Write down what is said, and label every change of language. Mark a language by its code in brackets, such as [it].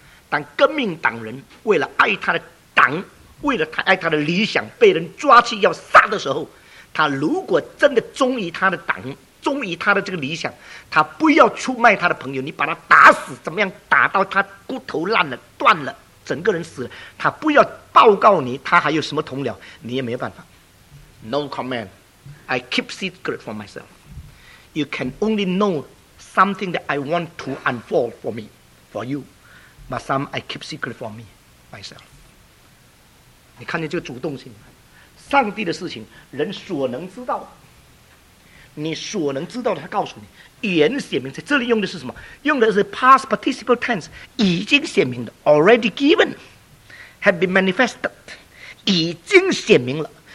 [zh] 但革命党人为了爱他的党，为了他爱他的理想，被人抓去要杀的时候，他如果真的忠于他的党，忠于他的这个理想，他不要出卖他的朋友，你把他打死，怎么样打到他骨头烂了断了整个人死了，他不要报告你他还有什么同僚，你也没有办法。 [en] No comment, I keep secret for myself. You can only know something that I want to unfold for me, for you.But some I keep secret for me, myself. [zh] 你看见这个主动性，上帝的事情人所能知道，你所能知道的他告诉你，语言显明，在这里用的是什么？用的是 past participle tense， 已经显明的 [en] already given have been manifested， [zh] 已经显明了。